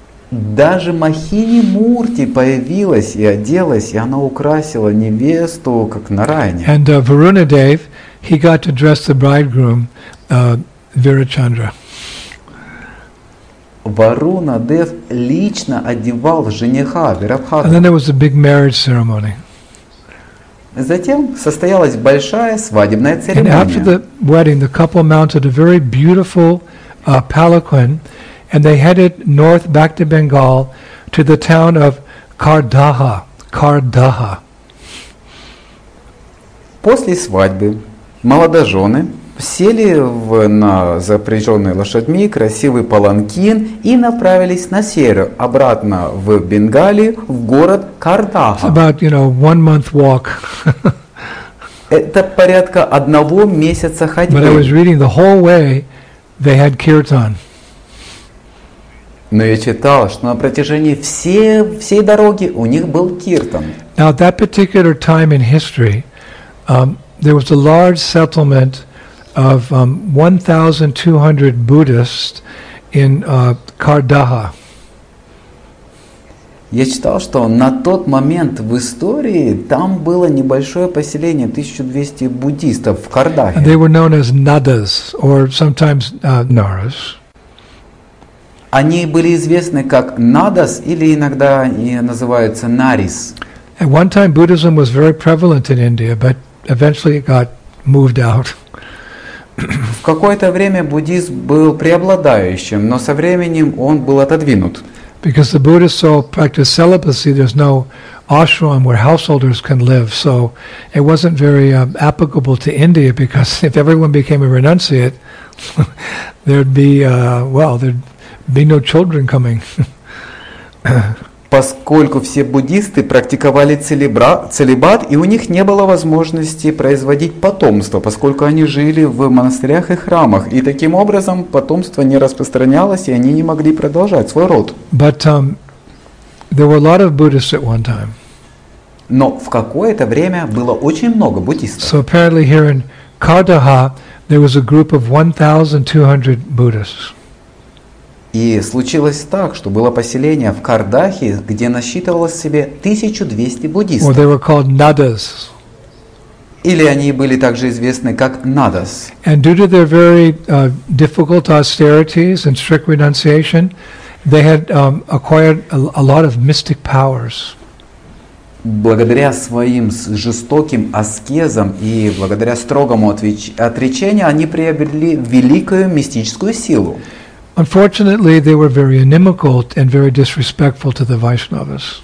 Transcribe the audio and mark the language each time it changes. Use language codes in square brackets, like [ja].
[ru] Даже Mohini Murti появилась и оделась, и она украсила невесту, как Нараяни. [en] And Varuna Dev, he got to dress the bridegroom Virachandra. [ru] Варуна Дев лично одевал жениха Вирабхадру. [en] And then there was a big marriage ceremony. [ru] Затем состоялась большая свадебная церемония. [en] And after the wedding, the couple mounted a very beautiful palanquin, and they headed north back to Bengal to the town of Kardaha. Kardaha. [ru] После свадьбы молодожены сели в на запряженные лошадьми красивый паланкин и направились на север, обратно в Бенгалию, в город Кардаха. [en] It's about, you know, 1 month walk. [ru] Это порядка одного месяца ходьбы. [en] But I was reading the whole way they had kirtan. [ru] Но я читал, что на протяжении всей дороги у них был киртан. [en] Now at that particular time in history, there was a large settlement of 1,200 Buddhists in Kardaha. [ru] Я читал, что на тот момент в истории там было небольшое поселение 1,200 буддистов в Кардахе. [en] They were known as Nadas or sometimes Naras. [ru] Они были известны как Nadas или иногда и называются Naris. [en] At one time Buddhism was very prevalent in India, but eventually it got moved out. [ru] В какое-то время буддизм был преобладающим, но со временем он был отодвинут. [en] Because the Buddhists all practice celibacy, there's no ashram where householders can live, so it wasn't very applicable to India, because if everyone became a renunciate, there'd be no children coming. [ru] Поскольку все буддисты практиковали целибат, и у них не было возможности производить потомство, поскольку они жили в монастырях и храмах, и таким образом потомство не распространялось, и они не могли продолжать свой род. [en] But there were a lot of Buddhists at one time. [ru] Но в какое-то время было очень много буддистов. [en] So apparently here in Kardaha there was a group of 1,200 Buddhists. [ru] И случилось так, что было поселение в Кардахе, где насчитывалось себе 1200 буддистов. [en] Well, they were called Nadas. [ru] Или они были также известны как Nadas. [en] And due to their very difficult austerities and strict renunciation, they had acquired a lot of mystic powers. [ru] Благодаря своим жестоким аскезам и благодаря строгому отречению, они приобрели великую мистическую силу. [en] Unfortunately, they were very inimical and very disrespectful to the Vaishnavas.